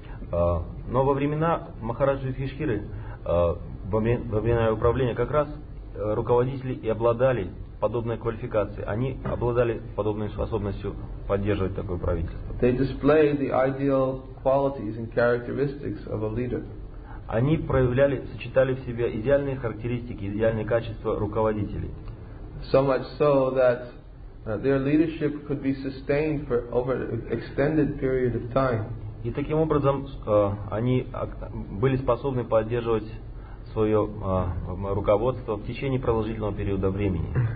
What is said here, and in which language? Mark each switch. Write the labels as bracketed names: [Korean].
[Russian] Но во времена Махараджи Юдхиштхиры во время управления как раз руководители и обладали подобной квалификацией. Они обладали подобной способностью поддерживать такое правительство. [English] They display the ideal qualities and characteristics of a leader. [Russian] Они проявляли, сочетали в себе идеальные характеристики, идеальные качества руководителей. [English] So much so that their leadership could be sustained for over an extended period of time. [Russian] И таким образом они были способны поддерживать свое руководство в течение продолжительного периода времени.